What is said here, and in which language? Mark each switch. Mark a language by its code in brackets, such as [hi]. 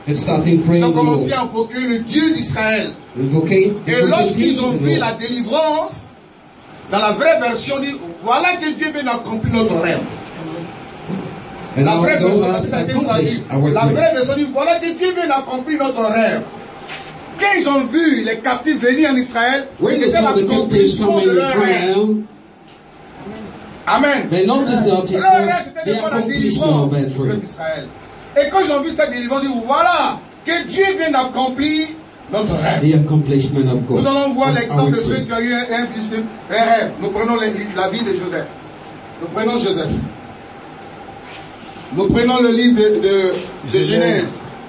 [fr] Ils ont commencé à invoquer le Dieu d'Israël. Et lorsqu'ils ont vu la délivrance, dans la vraie version, ils disent, voilà que Dieu vient d'accomplir notre rêve. Et la vraie version dit, voilà que Dieu vient d'accomplir notre rêve. Quand ils ont vu les captifs venir en Israël, c'était l'accomplissement de leur rêve. Amen. [en] They noticed that it was the accomplishment of their dream. [fr] Et quand ils ont vu cette délivrance, ils ont dit, voilà, que Dieu vient d'accomplir notre rêve. [en] The accomplishment of God. [fr] Nous allons voir l'exemple de ceux qui ont eu un rêve. Nous prenons la vie de Joseph. Nous prenons le livre de Genèse.